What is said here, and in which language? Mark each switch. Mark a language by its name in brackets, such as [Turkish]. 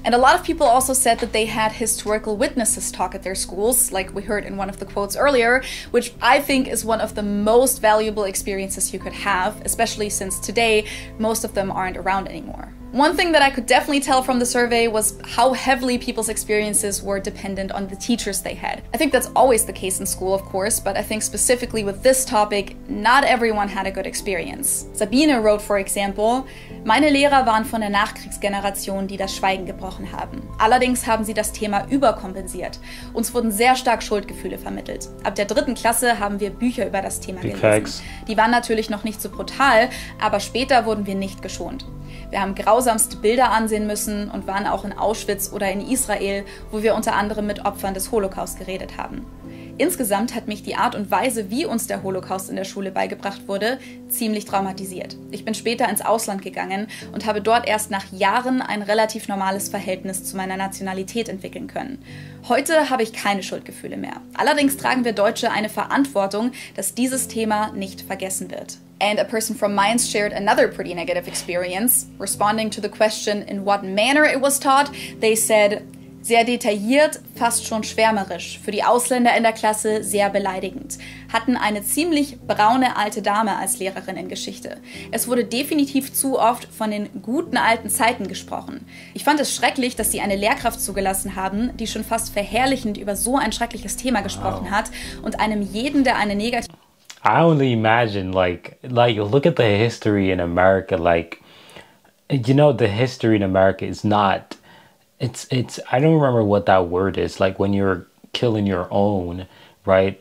[English] And a lot of people also said that they had historical witnesses talk at their schools, like we heard in one of the quotes earlier, which I think is one of the most valuable experiences you could have, especially since today most of them aren't around anymore. One thing that I could definitely tell from the survey was how heavily people's experiences were dependent on the teachers they had. I think that's always the case in school, of course, but I think specifically with this topic, not everyone had a good experience. Sabine wrote, for example, [German] "Meine Lehrer waren von der Nachkriegsgeneration, die das Schweigen gebrochen haben. Allerdings haben sie das Thema überkompensiert. Uns wurden sehr stark Schuldgefühle vermittelt. Ab der dritten Klasse haben wir Bücher über das Thema gelesen. Die waren natürlich noch nicht so brutal, aber später wurden wir nicht geschont. Wir haben grausamste Bilder ansehen müssen und waren auch in Auschwitz oder in Israel, wo wir unter anderem mit Opfern des Holocaust geredet haben. Insgesamt hat mich die Art und Weise, wie uns der Holocaust in der Schule beigebracht wurde, ziemlich traumatisiert. Ich bin später ins Ausland gegangen und habe dort erst nach Jahren ein relativ normales Verhältnis zu meiner Nationalität entwickeln können. Heute habe ich keine Schuldgefühle mehr. Allerdings tragen wir Deutsche eine Verantwortung, dass dieses Thema nicht vergessen wird." [English] And a person from Mainz shared another pretty negative experience. Responding to the question in what manner it was taught, they said, [German] "Sehr detailliert, fast schon schwärmerisch. Für die Ausländer in der Klasse sehr beleidigend. Hatten eine ziemlich braune alte Dame als Lehrerin in Geschichte. Es wurde definitiv zu oft von den guten alten Zeiten gesprochen. Ich fand es schrecklich, dass sie eine Lehrkraft zugelassen haben, die schon fast verherrlichend über so ein schreckliches Thema gesprochen hat und einem jeden, der eine negative..." [English] I only imagine, like, look at the history in America, like, you know, the history in America is not, it's, I don't remember what that word is, like, when you're killing your own, right?